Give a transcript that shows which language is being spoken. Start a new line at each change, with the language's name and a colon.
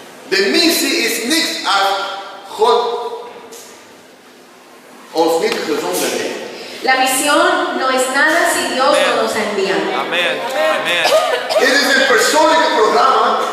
Dutch: De missie is niet als God ons niet gezonden heeft.
Spanish: La misión no es nada si Dios no nos ha enviado. Amén. Amén.
Dutch: Dit is een persoonlijk programma.